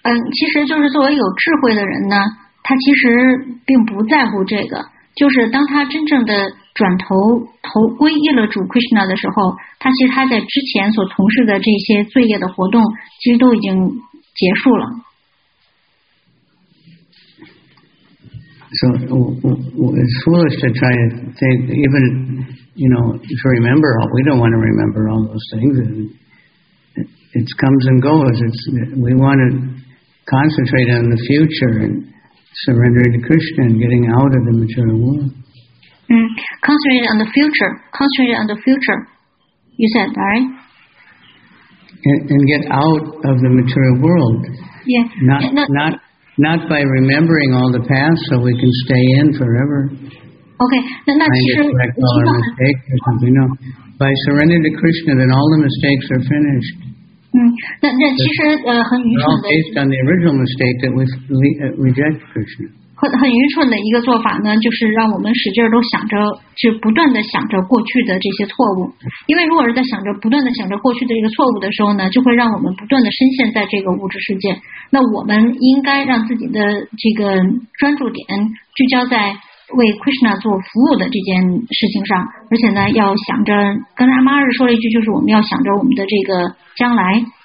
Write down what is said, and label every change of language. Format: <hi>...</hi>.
<zh>其实就是作为有智慧的人呢，他其实并不在乎这个。就是当他真正的转头皈依了主 Krishna 的时候，他其实他在之前所从事的这些罪业的活动，其实都已经结束了。</zh> <en>So it's foolish to try to think, even, you know, to remember all. We don't want to remember all those things. It comes and goes. We want to concentrate on the future and surrender to Krishna and getting out of the material world. Concentrate on the future. Concentrate on the future. You said, all right? And get out of the material world. Yeah. Not by remembering all the past so we can stay in forever.</en> <zh>Okay. 那其实</zh> <en>correct all our mistakes or something. No. By surrender to Krishna, then all the mistakes are finished.</en> <zh>那其实很愚蠢的。</zh> <en>It's all based on the original mistake that we reject Krishna.</en> <zh>很愚蠢的一个做法呢，就是让我们使劲都想着，就不断的想着过去的这些错误。因为如果是在想着不断的想着过去的这个错误的时候呢，就会让我们不断的深陷在这个物质世界。那我们应该让自己的这个专注点聚焦在为 Krishna 做服务的这件事情上，而且呢，要想着跟阿玛日说了一句，就是我们要想着我们的这个将来。</zh>